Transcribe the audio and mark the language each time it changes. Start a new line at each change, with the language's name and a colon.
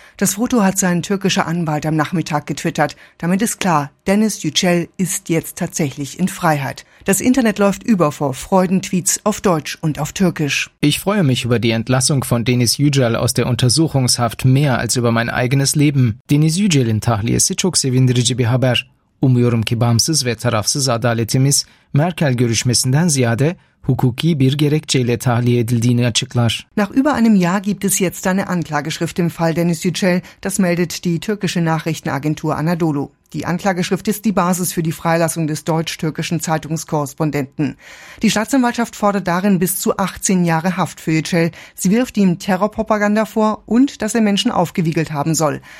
German: Das Foto hat sein türkischer Anwalt am Nachmittag getwittert. Damit ist klar, Denis Yücel ist jetzt tatsächlich in Freiheit. Das Internet läuft über vor Freudentweets auf Deutsch und auf Türkisch. Ich freue mich über die Entlassung von Denis Yücel aus der Untersuchungshaft mehr als über mein eigenes Leben.
Turkish: Denis Yücel'in tahliyesi çok sevindirici bir haber. Umuyorum ki bağımsız ve tarafsız adaletimiz Merkel görüşmesinden ziyade hukuki bir gerekçeyle tahliye edildiğini açıklar.
German: Nach über einem Jahr gibt es jetzt eine Anklageschrift im Fall Denis Yücel, das meldet die türkische Nachrichtenagentur Anadolu. Die Anklageschrift ist die Basis für die Freilassung des deutsch-türkischen Zeitungskorrespondenten. Die Staatsanwaltschaft fordert darin bis zu 18 Jahre Haft für Yücel. Sie wirft ihm Terrorpropaganda vor und dass er Menschen aufgewiegelt haben soll.